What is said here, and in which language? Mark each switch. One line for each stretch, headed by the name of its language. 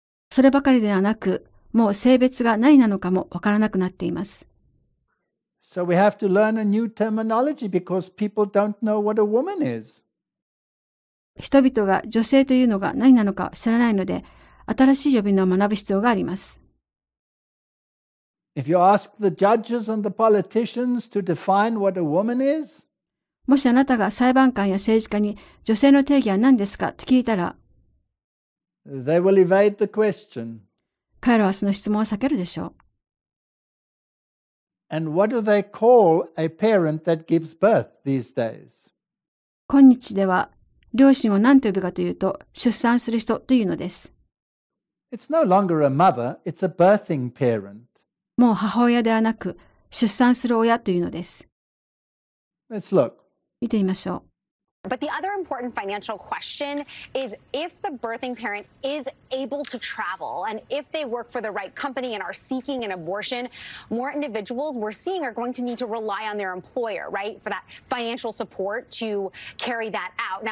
Japanese: そればかりではなく、もう性別が何なのかもわからなくなっています。
English: So we have to learn a new terminology because people don't know what a woman is.
Japanese: 人々が女性というのが何なのか知らないので、新しい呼び名を学ぶ必要があります。
English: If you ask the judges and the politicians to define what a woman is,
Japanese: もしあなたが裁判官や政治家に女性の定義は何ですかと聞いたら、
English: they will evade the question.
Japanese: 彼らはその質問を避けるでしょう。
English: And what do they call a parent that gives birth these days?
Japanese: 今日では、両親を何と呼ぶかというと、出産する人というのです。
English: It's no longer a mother, it's a birthing parent.
Japanese: もう母親ではなく、出産する親というのです。
English: Let's look.
Japanese: 見てみましょう。
English: But the other important financial question is if the birthing parent is able to travel and if they work for the right company and are seeking an abortion, more individuals we're seeing are going to need to rely on their employer, right, for that financial support to carry that out.